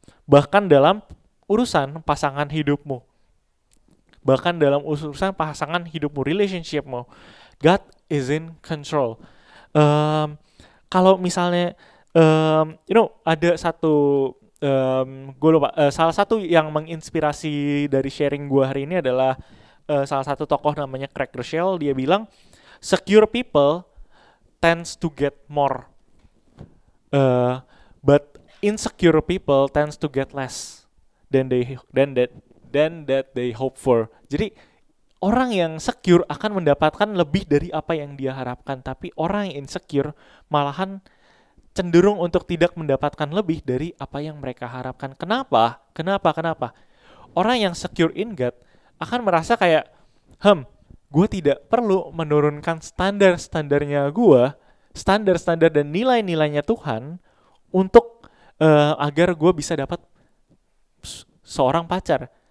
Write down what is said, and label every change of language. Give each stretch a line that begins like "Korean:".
Indonesian: Bahkan dalam urusan pasangan hidupmu. Bahkan dalam urusan pasangan hidupmu, relationshipmu.
English: God is in control.
Indonesian: Kalau misalnya, ada satu, gue lupa, salah satu yang menginspirasi dari sharing gue hari ini adalah salah satu tokoh namanya Craig Rochelle. Dia bilang,
English: secure people tends to get more. But insecure people tends to get less than that they hope for.
Indonesian: Jadi orang yang secure akan mendapatkan lebih dari apa yang dia harapkan, tapi orang yang insecure malahan cenderung untuk tidak mendapatkan lebih dari apa yang mereka harapkan. Kenapa? Orang yang
English: secure in God
Indonesian: akan merasa kayak, gue tidak perlu menurunkan standar-standarnya gue, standar-standar dan nilai-nilainya Tuhan untuk agar gue bisa dapat seorang pacar.